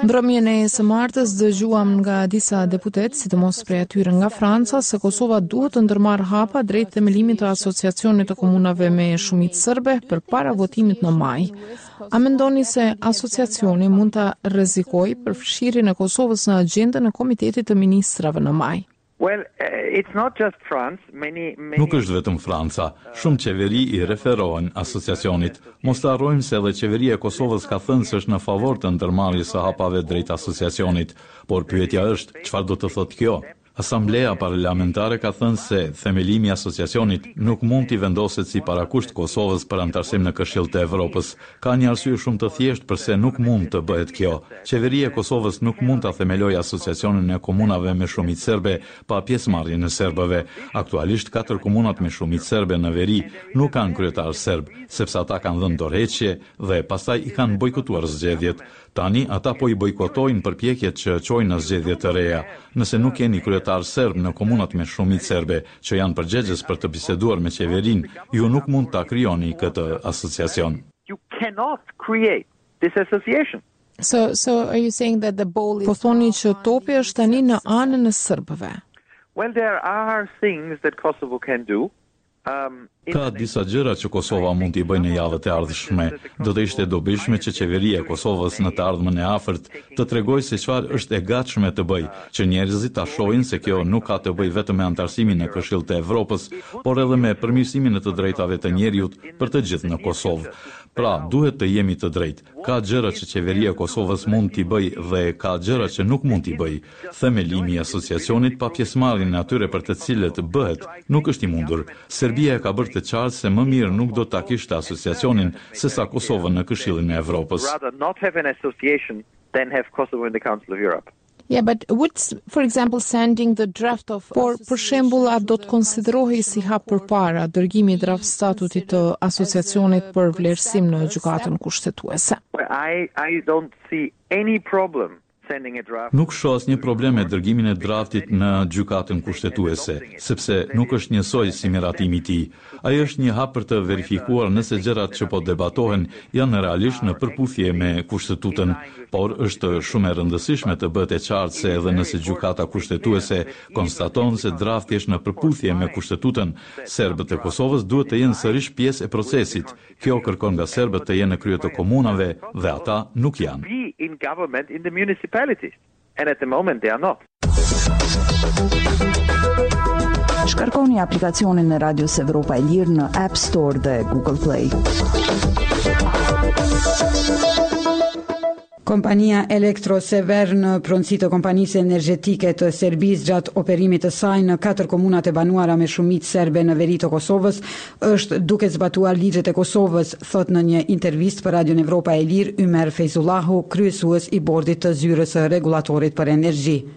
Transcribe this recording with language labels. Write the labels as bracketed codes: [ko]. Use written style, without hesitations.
[sq] Mbrëmjen e së martës dëgjuam nga disa deputetë, sidomos prej atyre nga Franca, se Kosova duhet të ndërmarr hapa drejt themelimit të Asociacionit të Komunave me Shumicë Serbe për para votimit në maj. A mendoni se asociacioni mund ta rrezikojë përfshirjen e Kosovës në agjendën e Komitetit të Ministrave në maj? [en] Well, it's not just France, many [sq] nuk është vetëm Franca. Shumë qeveri i referohen asociacionit. Mos të harrojmë se edhe qeveria e Kosovës ka thënë se është në favor të ndërmarrjes së hapave drejt asociacionit, por pyetja është, çfarë do të thotë kjo? Asambleja parlamentare ka thënë se themelimi i asociacionit nuk mund t'i vendoset si parakusht Kosovës për antarësim në Këshillin e Evropës. Ka një arsye shumë të thjeshtë përse nuk mund të bëhet kjo. Qeveria e Kosovës nuk mund ta themelojë asociacionin e komunave me shumicë serbe pa pjesëmarrjen e serbëve. Aktualisht katër komunat me shumicë serbe në veri nuk kanë kryetar serb, sepse ata kanë dhënë dorëheqje dhe pastaj i kanë bojkotuar zgjedhjet. Tani ata po i bojkotojnë përpjekjet që çojnë në zgjedhje të reja. Nëse nuk keni kryetar serb në komunat me shumicë serbe që janë përgjegjës për të biseduar me qeverinë, ju nuk mund ta krijoni këtë asociacion. [en] You cannot create this association. So are you saying that the ball is... [sq] Po thoni që topi është tani në anën e serbëve. [en] Well, there are things that Kosovo can do. [sq] Ka disa gjëra që Kosova mund t'i bëjë në javët e ardhshme. Do të ishte dobishme që qeveria e Kosovës në të ardhmen e afërt të tregojë se çfarë është e gatshme të bëjë, që njerëzit ta shohin se kjo nuk ka të bëjë vetëm me antarësimin në Këshillin e Evropës, por edhe me përmirësimin e të drejtave të njerëzit për të gjithë në Kosovë. Pra, duhet të jemi të drejtë. Ka gjëra që qeveria e Kosovës mund t'i bëjë dhe ka gjëra që nuk mund t'i bëjë. Themelimi i asociacionit pa pjesëmarrjen e atyre për të cilët bëhet nuk është i mundur. Serbia ka bërë të qartë se më mirë nuk do ta kishte asociacionin sesa Kosovën në Këshillin e Evropës. [en] Yeah, but what's, for example, sending the draft of... [sq] Por, për shembull, a do të konsiderohej si hap përpara dërgimi i draft statutit të asociacionit për vlerësim në gjykatën kushtetuese? [en] I don't see any problem. [sq] Nuk shoh asnjë problem me dërgimin e draftit në gjykatën kushtetuese, sepse nuk është njësoj si miratimi i tij. Ai është një hap për të verifikuar nëse gjërat që po debatohen janë realisht në përputhje me kushtetutën, por është shumë e rëndësishme të bëhet e qartë se edhe nëse gjykata kushtetuese konstaton se drafti është në përputhje me kushtetutën, serbët e Kosovës duhet të jenë sërish pjesë e procesit. Kjo kërkon nga serbët të jenë në krye të komunave dhe ata nuk janë. [en] In government, in the municipalities, and at the moment they are not. [sq] Shkarkoni aplikacionin e Radios Evropa e Lirë në App Store dhe Google Play. Kompania Elektrosever në pronësi të kompanisë energjetike të Serbisë gjatë operimit të saj në katër komunat e banuara me shumicë serbe në veri të Kosovës është duke zbatuar ligjet e Kosovës, thot në një intervistë për Radio Evropa e Lirë Ymer Fejzullahu, kryesues i bordit të zyrës së regulatorit për energji.